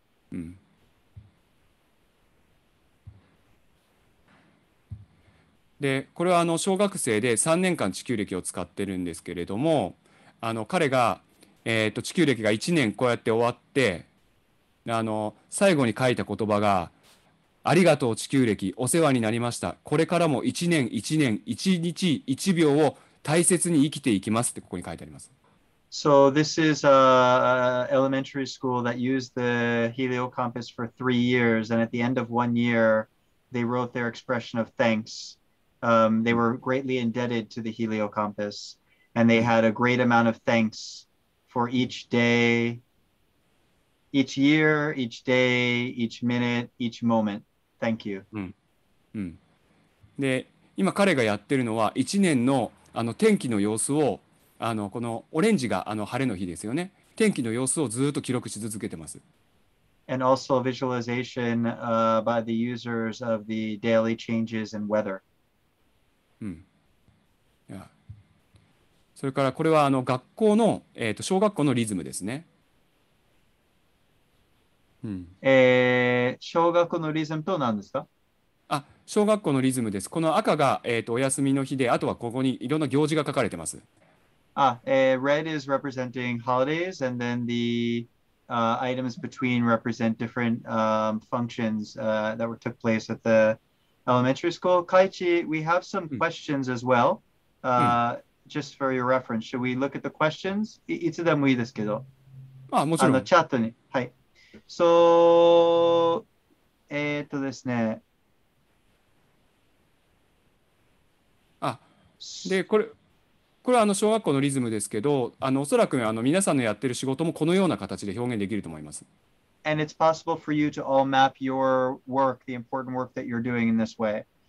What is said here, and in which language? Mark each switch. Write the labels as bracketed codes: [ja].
[ja] うん、で、これはあの小学生で3年間地球歴を使ってるんですけれども、あの彼が地球歴が1年こうやって終わってあの最後に書いた言葉がありがとう地球歴お世話になりましたこれからも1年1年1日1秒を大切に生きていきますってここに書いてあります [en] So this is a elementary school that used the heliocompass for 3 years and at the end of 1 year they wrote their expression of thanks、they were greatly indebted to the heliocompass and they had a great amount of thanksfor each day, each year, each day, each minute, each moment. Thank you.、 [ja] うんうん、で、今彼がやってるのは1年の、 あの天気の様子をあのこのオレンジがあの晴れの日ですよね。天気の様子をずっと記録し続けてます。 [en] And also visualization、by the users of the daily changes in weather.、 [ja] うんそれからこれはあの学校の、小学校のリズムですね、うん小学校のリズムと何ですかあ小学校のリズムです。この赤が、お休みの日で、あとはここにいろんな行事が書かれてます。 [en] あ、Red is representing holidays, and then the、items between represent different、functions、that took place at the elementary school. Kaichi, we have some questions、うん、as well.、Just for your reference, should we look at the questions? [ja] いつでもいいですけど。あ、もちろん。あのチャットに。はい。So, ですね。あ、で、これはあの小学校のリズムですけど、あのおそらくあの皆さんのやってる仕事もこのような形で表現できると思います。 [en] And it's possible for you to all map your work, the important work that you're doing in this way.